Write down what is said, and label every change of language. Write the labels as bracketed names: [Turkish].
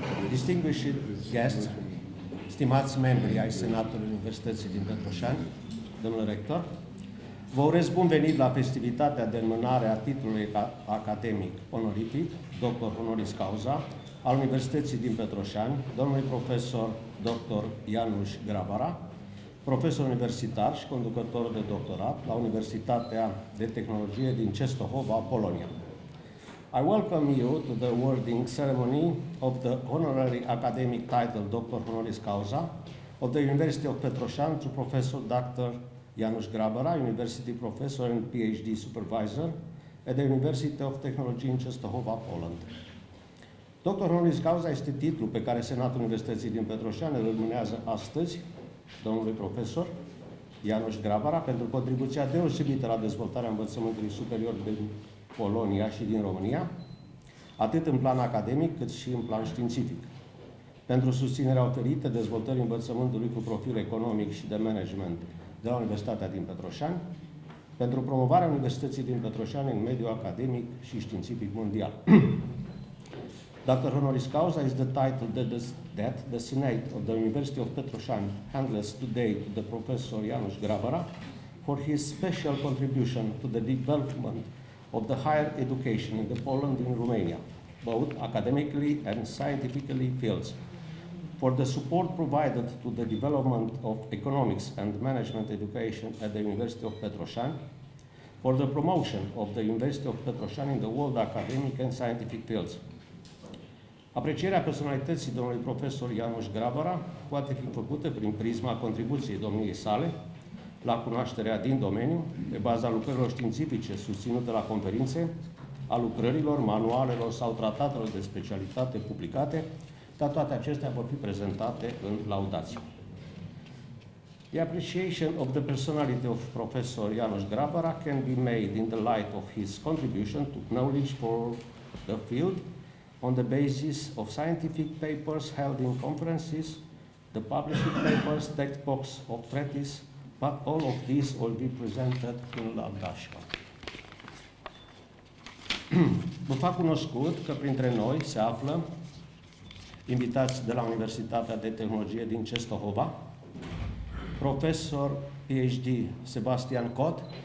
[English] distinguished guests, [Romanian] stimați membri ai Senatului Universității din Petroșani, domnule rector, vă urez bun venit la festivitatea de înmânare a titlului academic onorific, doctor honoris causa, al Universității din Petroșani, domnului profesor dr. Ianuș Grabara, profesor universitar și conducător de doctorat la Universitatea de Tehnologie din Częstochowa, Polonia. [English] I welcome you to the awarding ceremony of the honorary academic title Dr. Honoris Causa of the University of Petroșani to Professor Dr. Ianuș Grabara, University Professor and PhD Supervisor at the University of Technology in Częstochowa, Poland. [Romanian] Dr. Honoris Causa este titlul pe care Senatul Universității din Petroșani îl înmânează astăzi domnului profesor Ianuș Grabara pentru contribuția deosebită la dezvoltarea învățământului superior din Polonia și din România, atât în plan academic cât și în plan științific. Pentru susținerea oferită dezvoltării învățământului cu profil economic și de management de la Universitatea din Petroșani, pentru promovarea Universității din Petroșani în mediul academic și științific mondial. Dr. [English] Honoris Causa is the title that the Senate of the University of Petroșani handles today to the Professor Ianuș Grabara for his special contribution to the development of the higher education in the Poland and Romania, both academically and scientifically fields, for the support provided to the development of economics and management education at the University of Petroșani, for the promotion of the University of Petroșani in the world academic and scientific fields. [Romanian] Aprecierea personalității domnului profesor Ianuș Grabara poate fi făcută prin prisma contribuției domniei sale la cunoașterea din domeniu, pe baza lucrărilor științifice susținute la conferințe, a lucrărilor, manualelor sau tratatelor de specialitate publicate, dar toate acestea vor fi prezentate în laudație. [English] The appreciation of the personality of Professor Ianuș Grabara can be made in the light of his contribution to knowledge for the field on the basis of scientific papers held in conferences, the published papers, textbooks of treatises, but all of these will be presented in laudatio. [Romanian] Vă fac cunoscut că printre noi se află invitați de la Universitatea de Tehnologie din Częstochowa, profesor PhD Sebastian Kot,